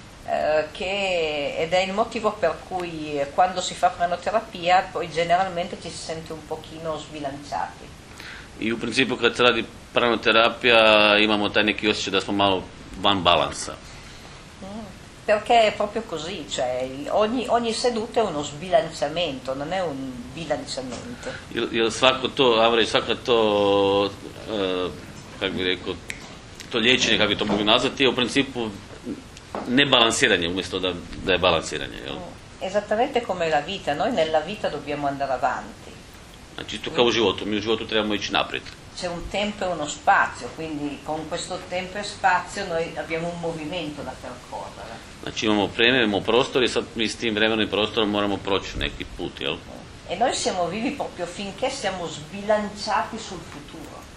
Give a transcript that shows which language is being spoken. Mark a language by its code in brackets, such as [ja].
[it] Ed è il motivo per cui quando si fa pranoterapia poi generalmente ci si sente un pochino sbilanciati. [hr] I u principu kad se radi pranoterapija imamo taj neki osjećaj da smo malo van balansa. [it] Perché è proprio così, cioè ogni seduta è uno sbilanciamento, non è un bilanciamento. [hr] Jel svako to, Avrej, svako to, kako bi rekao, to liječenje, kako bi to mogu nazvati, je u principu nebalansiranje umjesto da je balansiranje, jel? [it] Esattamente come la vita, noi nella vita dobbiamo andare avanti. [hr] Znači, isto kao u životu, mi u životu trebamo ići naprijed. [it] C'è un tempo e uno spazio, quindi con questo tempo e spazio noi abbiamo un movimento da percorrere. [hr] Znači, imamo vrijeme, imamo prostor i sad mi s tim vremenom i prostorom moramo proći neki put, jel? [it] E noi siamo vivi proprio finché siamo sbilanciati sul futuro.